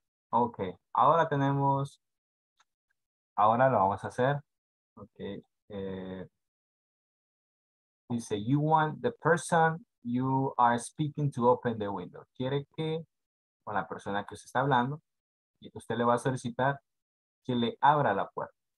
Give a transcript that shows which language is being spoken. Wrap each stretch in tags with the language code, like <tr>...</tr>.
<es>Ok, ahora tenemos, ahora lo vamos a hacer. Ok. Dice,</es> <en>you want the person you are speaking to open the window.</en> <es>Quiere que, con la persona que se está hablando, y usted le va a solicitar que le abra la puerta.</es>